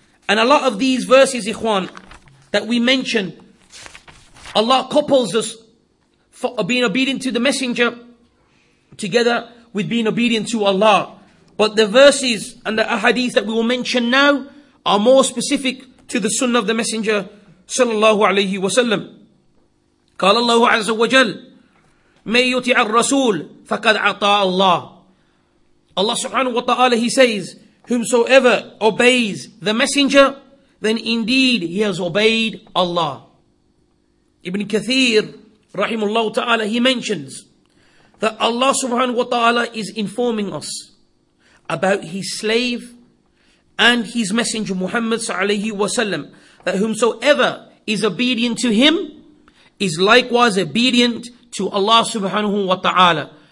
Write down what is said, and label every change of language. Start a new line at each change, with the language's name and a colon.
English: And a lot of these verses, ikhwan, that we mention, Allah couples us for being obedient to the Messenger together with being obedient to Allah. But the verses and the ahadith that we will mention now are more specific to the sunnah of the Messenger sallallahu alayhi wa sallam.
Arabic: قال الله عز وجل مَنْ يُطِعَ الرَّسُولَ فَقَدْ عَطَاءَ اللَّهِ.
English: Allah subhanahu wa ta'ala, he says, whomsoever obeys the Messenger, then indeed he has obeyed Allah. Ibn Kathir, rahimullah ta'ala, he mentions that Allah subhanahu wa ta'ala is informing us about his slave and his Messenger Muhammad sallallahu alayhi wa sallam, that whomsoever is obedient to him is likewise obedient to Allah subhanahu wa ta'ala.